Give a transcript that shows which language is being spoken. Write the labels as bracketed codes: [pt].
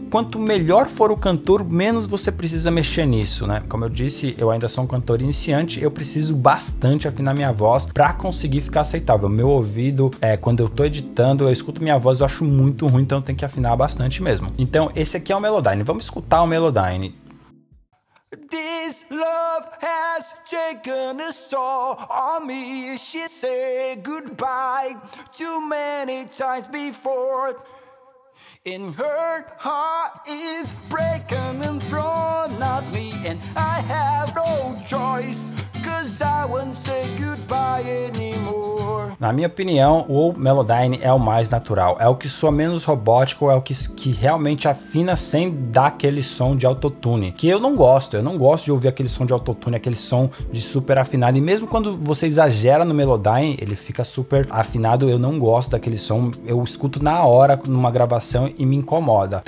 [pt] Quanto melhor for o cantor, menos você precisa mexer nisso, né? Como eu disse, eu ainda sou um cantor iniciante, eu preciso bastante afinar minha voz pra conseguir ficar aceitável. Meu ouvido, quando eu tô editando, eu escuto minha voz, eu acho muito ruim, então eu tenho que afinar bastante mesmo. Então, esse aqui é o Melodyne. Vamos escutar o Melodyne. [en] This love has taken a toll on me. She said goodbye too many times before. In her heart is breaking and thrown at me, and I have no choice, 'cause I won't say goodbye anymore. [pt] Na minha opinião, o Melodyne é o mais natural, é o que soa menos robótico, é o que realmente afina sem dar aquele som de autotune, que eu não gosto de ouvir aquele som de autotune, aquele som de super afinado, e mesmo quando você exagera no Melodyne, ele fica super afinado, eu não gosto daquele som, eu escuto na hora, numa gravação, e me incomoda.